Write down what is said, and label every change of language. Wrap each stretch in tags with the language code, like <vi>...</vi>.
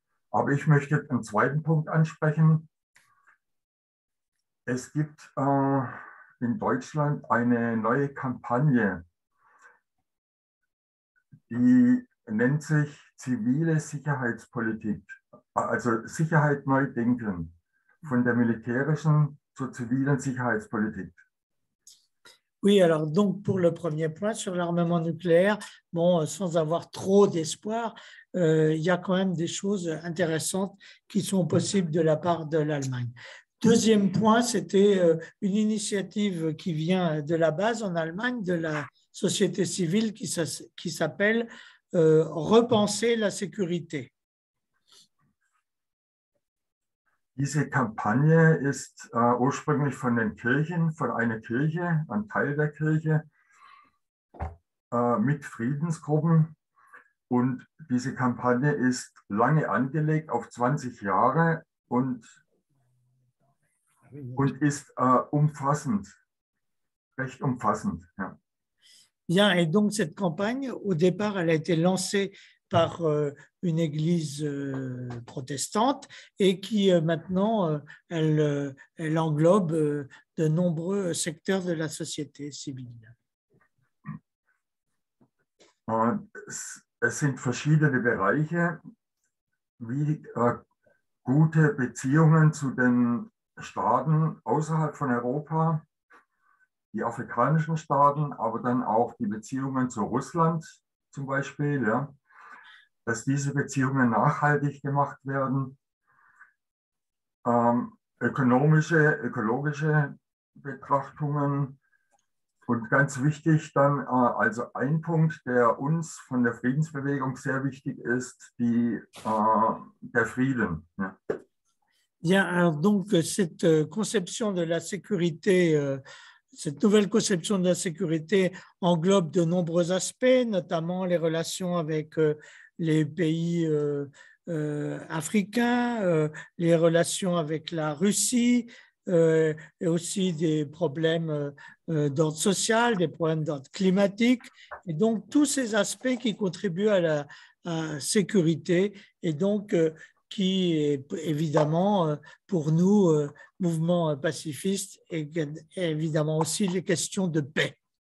<de>Aber ich möchte einen zweiten Punkt ansprechen. Es gibt in Deutschland eine neue Kampagne, die nennt sich zivile Sicherheitspolitik, also Sicherheit neu denken, von der militärischen zur zivilen Sicherheitspolitik.</de> <fr>Oui, alors donc pour le premier point sur l'armement nucléaire, bon, sans avoir trop d'espoir, il y a quand même des choses intéressantes qui sont possibles de la part de l'Allemagne. Deuxième point, c'était une initiative qui vient de la base en Allemagne, de la société civile qui s'appelle « Repenser la sécurité ».</fr> <de>Diese Kampagne ist ursprünglich von den Kirchen, von einer Kirche, ein Teil der Kirche, mit Friedensgruppen. Und diese Kampagne ist lange angelegt, auf 20 Jahre, und ist umfassend, recht umfassend. Ja.</de> <fr>Bien, et donc cette campagne, au départ, elle a été lancée par une église protestante et qui maintenant, elle englobe de nombreux secteurs de la société civile.</fr> <de>Es sind verschiedene Bereiche, wie gute Beziehungen zu den Staaten außerhalb von Europa, die afrikanischen Staaten, aber dann auch die Beziehungen zu Russland zum Beispiel, ja. Dass diese Beziehungen nachhaltig gemacht werden, ökonomische, ökologische Betrachtungen und ganz wichtig dann, also ein Punkt, der uns von der Friedensbewegung sehr wichtig ist, die, der Frieden. Ja.</de> <fr>Bien, alors donc cette conception de la sécurité, cette nouvelle conception de la sécurité englobe de nombreux aspects, notamment les relations avec les pays africains, les relations avec la Russie, et aussi des problèmes d'ordre social, des problèmes d'ordre climatique, et donc tous ces aspects qui contribuent à la sécurité, et donc qui est évidemment pour nous, mouvement pacifiste, et évidemment aussi les questions de paix.</fr>